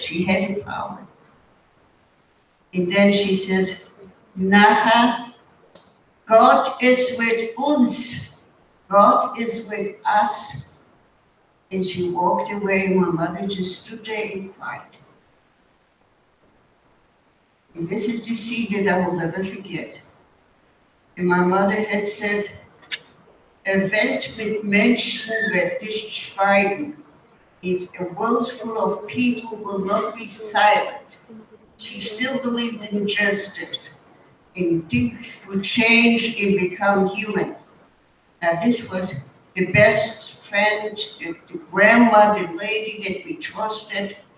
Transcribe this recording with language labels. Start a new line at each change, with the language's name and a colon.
English: She had the power. And then she says, Nacha, God is with us. God is with us. And she walked away. My mother just stood there and cried. And this is the scene that I will never forget. And my mother had said,
German: a Welt mit Menschen wird nicht schweigen.
English: It's a world full of people will not be silent. She still believed in justice, and things would change and become human. Now this was the best friend, the grandmother, the lady that we trusted.